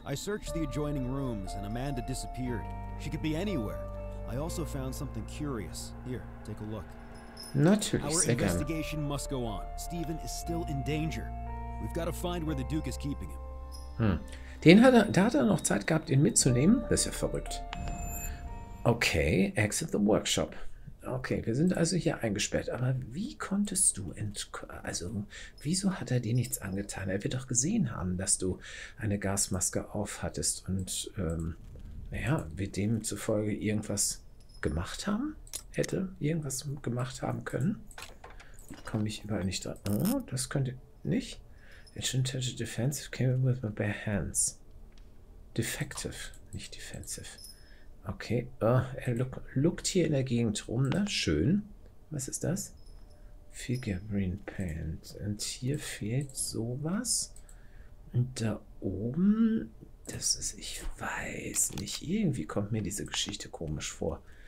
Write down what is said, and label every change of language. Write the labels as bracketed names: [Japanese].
[English] I searched the adjoining rooms and Amanda disappeared. She could be anywhere. I also found something curious. Here, take a look. [German] Natürlich, sehr gerne. [English] Our investigation must go on. Stephen is still in danger. We've got to find where the Duke is keeping him. [German] Da hat er noch Zeit gehabt, ihn mitzunehmen. Das ist ja verrückt. Okay, [English] exit the workshop. [German] Okay, wir sind also hier eingesperrt. Aber wie konntest du wieso hat er dir nichts angetan? Er wird doch gesehen haben, dass du eine Gasmaske aufhattest und, naja, wir demzufolge irgendwas gemacht haben? Hätte irgendwas gemacht haben können? Komme ich überall nicht dran? Oh, das könnte nicht. [English] Ancient Touch Defensive came in with my bare hands. [German] Defective, nicht defensive. Okay, er lookt hier in der Gegend rum, ne? Schön. Was ist das? Figurine Paint. Und hier fehlt sowas. Und da oben, das ist, ich weiß nicht, irgendwie kommt mir diese Geschichte komisch vor.